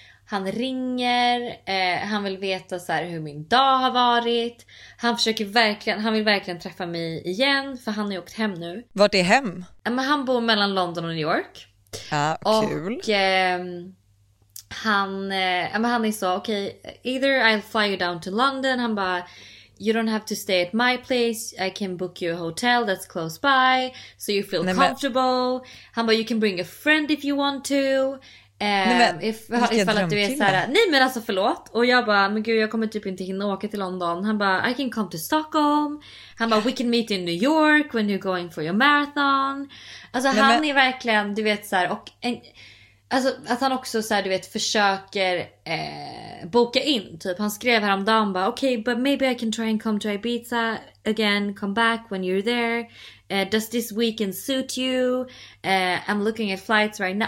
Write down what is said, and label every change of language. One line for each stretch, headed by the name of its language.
Swedish: Han ringer, han vill veta så här, hur min dag har varit. Han försöker verkligen, han vill verkligen träffa mig igen, för han har ju åkt hem nu. Vart är hem? Men han bor mellan London och New York. Ja, kul. Och han är så, okej,
English: either I'll fly you down to London.
Swedish: Han bara,
English: you don't have to stay at my place. I can book you a hotel that's close by, so you feel comfortable.
Swedish: Han bara,
English: you can bring a friend if you want to.
Swedish: Ifall att du är så här, nej men alltså förlåt. Och jag bara, men gud, jag kommer typ inte hinna åka till London. Han bara,
English: I can come to Stockholm.
Swedish: Han bara,
English: we can meet in New York when you're going for your marathon.
Swedish: Alltså nej, han är verkligen, du vet så här, och en, alltså att han också så här, du vet, försöker boka in, typ han skrev häromdagen, bara okej,
English: okay, but maybe I can try and come to Ibiza again, come back when you're there. Does this weekend suit you? I'm looking at flights right now.